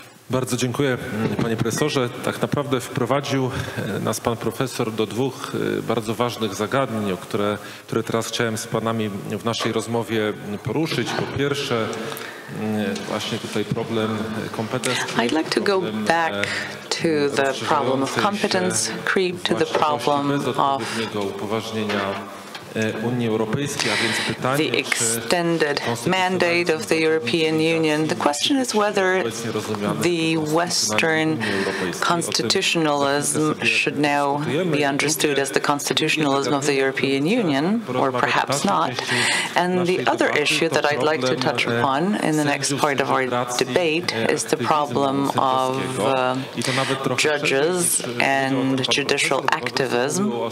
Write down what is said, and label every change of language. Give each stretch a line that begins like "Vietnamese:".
Polish: Bardzo dziękuję, panie profesorze. Tak naprawdę wprowadził nas pan profesor do dwóch bardzo ważnych zagadnień, które teraz chciałem z panami w naszej rozmowie poruszyć. Po pierwsze, właśnie tutaj problem kompetencji.
English: I'd like to go back to the problem of competence creep, to the problem of
Polish: upoważnienia Unii Europejskiej, a więc pytanie,
English: the extended mandate of the European Union. The question is whether the Western constitutionalism should now be understood as the constitutionalism of the European Union, or perhaps not. And the other issue that I'd like to touch upon in the next part of our debate is the problem of judges and judicial activism.